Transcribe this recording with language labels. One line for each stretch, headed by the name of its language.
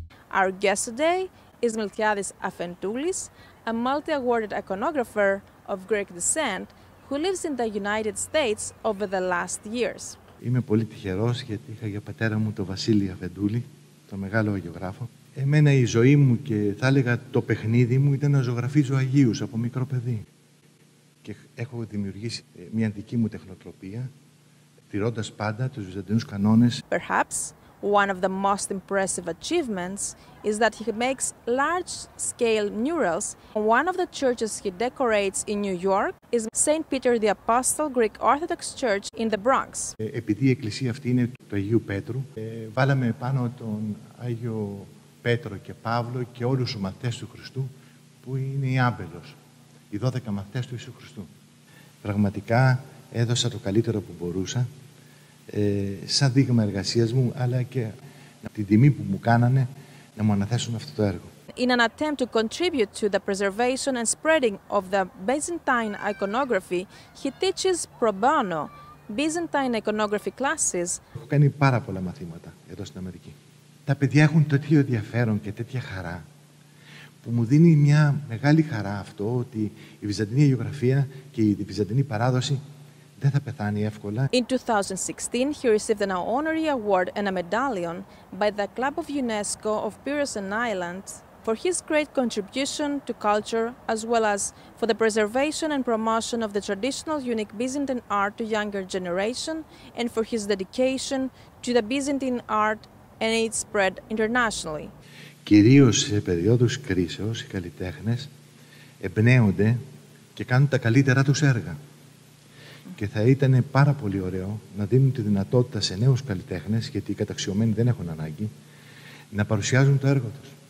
English: Our guest today is Miltiades Afentoulis, a multi-awarded iconographer of Greek descent who lives in the United States over the last years.
Greek: Είμαι πολύ τυχερός γιατί είχα για πατέρα μου τον Βασίλη Αφεντούλη, τον μεγάλο αγιογράφο. Εμένα η ζωή μου και θα έλεγα το παιχνίδι μου ήταν να ζωγραφίζω Αγίους από μικρό παιδί. Και έχω δημιουργήσει μια δική μου τεχνοτροπία, τηρώντας πάντα τους Βυζαντινούς κανόνες.
English: Perhaps one of the most impressive achievements is that he makes large-scale murals. One of the churches he decorates in New York is St. Peter the Apostle Greek Orthodox Church in the Bronx.
Greek: Επειδή η εκκλησία αυτή είναι του Αγίου Πέτρου, βάλαμε πάνω τον Άγιο Πέτρο και Παύλο και όλους τους μαθητές του Χριστού, που είναι η άμπελος, οι 12 μαθητές του Ιησού Χριστού. Πραγματικά έδωσα το καλύτερο που μπορούσα, σαν δείγμα εργασίας μου, αλλά και την τιμή που μου κάνανε να μου αναθέσουν αυτό το έργο.
English: In an attempt to contribute to the preservation and spreading of the Byzantine iconography, he teaches pro bono Byzantine iconography classes.
Greek: Έχω κάνει πάρα πολλά μαθήματα εδώ στην Αμερική. Τα παιδιά έχουν τέτοιο ενδιαφέρον και τέτοια χαρά που μου δίνει μια μεγάλη χαρά αυτό ότι η Βυζαντινή αγιογραφία και η Βυζαντινή παράδοση δεν θα πεθάνει εύκολα.
English: In 2016, he received an honorary award and a medallion by the Club of UNESCO of Piraeus and Islands for his great contribution to culture as well as for the preservation and promotion of the traditional unique Byzantine art to younger generation and for his dedication to the Byzantine art and its spread internationally.
Greek: Κυρίως σε περιόδους κρίσεως οι καλλιτέχνες εμπνέονται και κάνουν τα καλύτερά τους έργα. Και θα ήταν πάρα πολύ ωραίο να δίνουν τη δυνατότητα σε νέους καλλιτέχνες, γιατί οι καταξιωμένοι δεν έχουν ανάγκη, να παρουσιάζουν το έργο τους.